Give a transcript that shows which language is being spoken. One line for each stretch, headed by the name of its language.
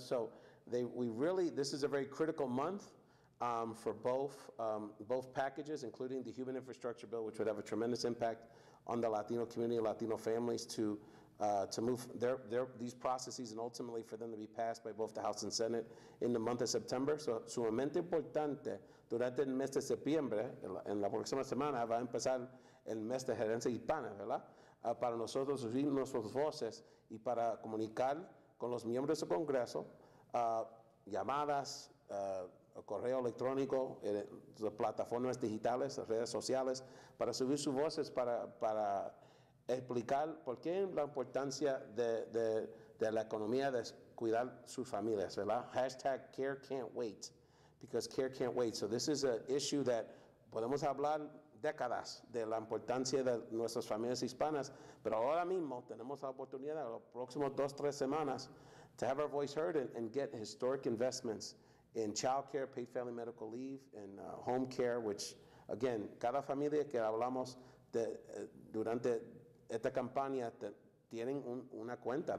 English: So this is a very critical month for both packages, including the human infrastructure bill, which would have a tremendous impact on the Latino community, Latino families, to move these processes and ultimately for them to be passed by both the House and Senate in the month of September.
Spanish: So sumamente importante durante el mes de septiembre, en la próxima semana va a empezar el mes de gerencia hispana, ¿verdad? Para nosotros subir nuestras voces y para comunicar con los miembros del Congreso, llamadas, correo electrónico, plataformas digitales, redes sociales, para subir sus voces para explicar por qué la importancia de la economía de cuidar sus familias, ¿verdad?
English: Hashtag care can't wait, because care can't wait. So this is an issue that
Spanish: podemos hablar décadas de la importancia de nuestras familias hispanas, pero ahora mismo tenemos la oportunidad en los próximos dos, tres semanas
English: to have our voice heard and get historic investments in child care, paid family medical leave, and home care, which, again,
Spanish: cada familia que hablamos durante esta campaña tienen una cuenta.